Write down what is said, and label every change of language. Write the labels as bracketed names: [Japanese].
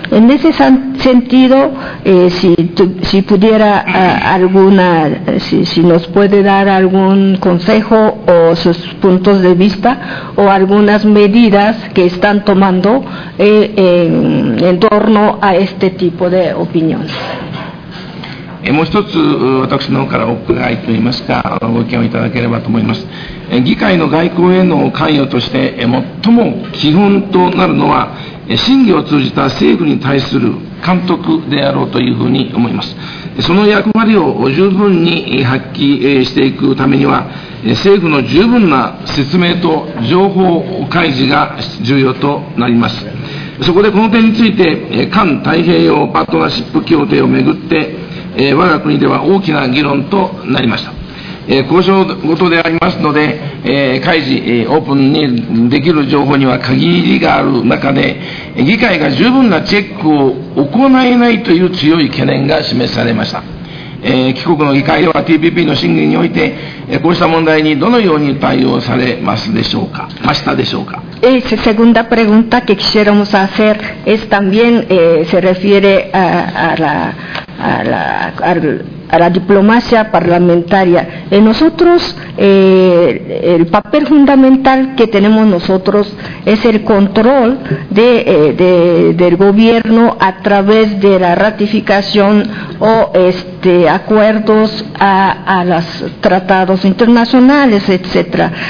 [Spanish] En ese sentido, si nos puede dar algún consejo o sus puntos de vista o algunas medidas que están tomando en torno a este tipo de opinión. [Japanese] もう一つ私の方からお伺いといいますかご意見をいただければと思います。議会の外交への関与として最も基本となるのは審議を通じた政府に対する監督であろうというふうに思います。その役割を十分に発揮していくためには政府の十分な説明と情報開示が重要となります。そこでこの点について、環太平洋パートナーシップ協定をめぐって、我が国では大きな議論となりました。交渉ごとでありますので、開示、オープンにできる情報には限りがある中で、議会が十分なチェックを行えないという強い懸念が示されました。帰国の議会では TPP の審議において、こうした問題にどのように対応されますでしょうか、ましたでしょうか。 [Spanish] Esa segunda pregunta que quisiéramos hacer es también se refiere a la diplomacia parlamentaria. Nosotros, el papel fundamental que tenemos nosotros es el control del gobierno a través de la ratificación o acuerdos a los tratados internacionales, etc.